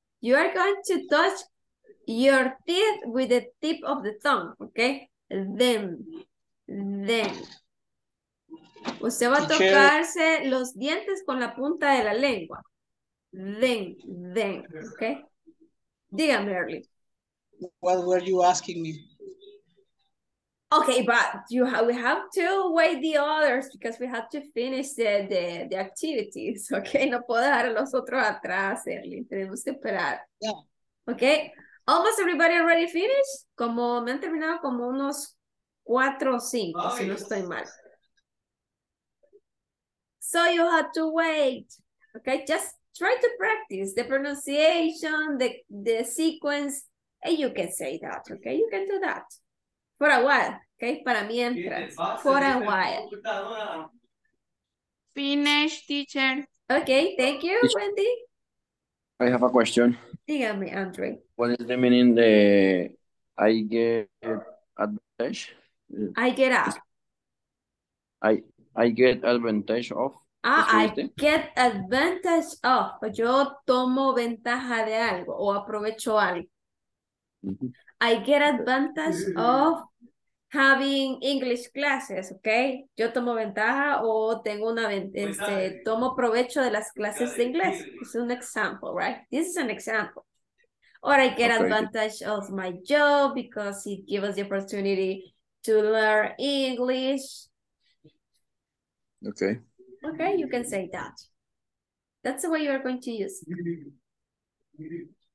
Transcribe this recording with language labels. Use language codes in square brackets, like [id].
[en] You are going to touch your teeth with the tip of the tongue, okay? Them. Them. [es] Usted va a tocarse los dientes con la punta de la lengua. [en] Then, then, okay? Dígame, Early. What were you asking me? Okay, but you have, we have to wait the others because we have to finish the activities, okay? [es] No puedo dejar a los otros atrás, Early. Tenemos que esperar. [en] Yeah. Okay? Almost everybody already finished? [es] Como me han terminado como unos 4 o 5, oh, si yes. No estoy mal. [en] So you have to wait, okay? Just try to practice the pronunciation, the sequence, and you can say that, okay? You can do that for a while, okay? [es] Para mientras, [en] for a while. Finish, teacher. Okay, thank you, Wendy. I have a question. [es] Dígame, Andre. [en] What is the meaning of I get advantage? I get up. I get advantage of. Ah, I get advantage of. [es] Yo tomo ventaja de algo o aprovecho algo. Mm-hmm. [en] I get advantage of having English classes, okay? [es] Yo tomo ventaja o tengo una tomo provecho de las clases de inglés. [en] It's an example, right? This is an example. Or I get advantage of my job because it gives us the opportunity to learn English. Okay. Okay, you can say that. That's the way you are going to use it.